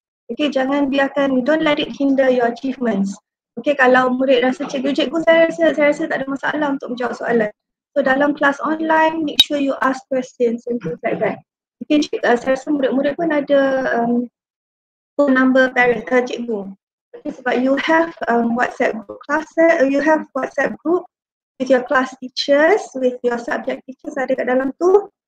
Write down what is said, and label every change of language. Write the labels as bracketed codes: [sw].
[en] Okay, [ms] jangan biarkan, [en] don't let it hinder your achievements. [ms] Okay, kalau murid rasa cikgu-cikgu, saya rasa tak ada masalah untuk menjawab soalan. [en] So, [ms] dalam kelas online, [en] make sure you ask questions and things like that. [ms] Okay, saya rasa murid-murid pun ada [en] phone number parent, [ms] cikgu. [en] Okay, [ms] sebab [en] you have WhatsApp group you have WhatsApp group with your class teachers, with your subject teachers [ms] ada kat dalam tu.